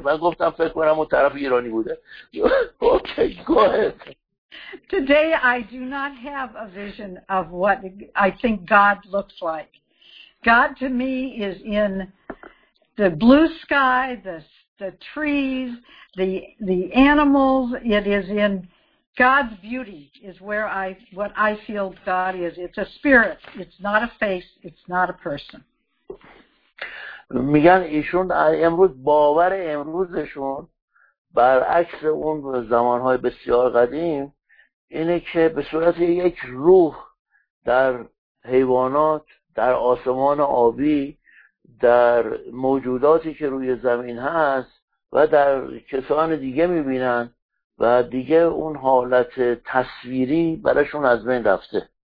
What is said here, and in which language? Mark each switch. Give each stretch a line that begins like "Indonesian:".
Persian: من گفتم فکر کنم اون طرف ایرانی بوده.
English: Okay گوهد. Today I do not have a vision of what I think God looks like. God to me is in the blue sky, the trees, the animals. It is in God's beauty is where I, what I feel God is. It's a spirit. It's not a face. It's not a person.
Persian: میگن ایشون امروز باور امروزشون برعکس اون زمانهای بسیار قدیم اینه که به صورت یک روح در حیوانات، در آسمان آبی، در موجوداتی که روی زمین هست و در کسان دیگه میبینن و دیگه اون حالت تصویری براشون از بین رفته.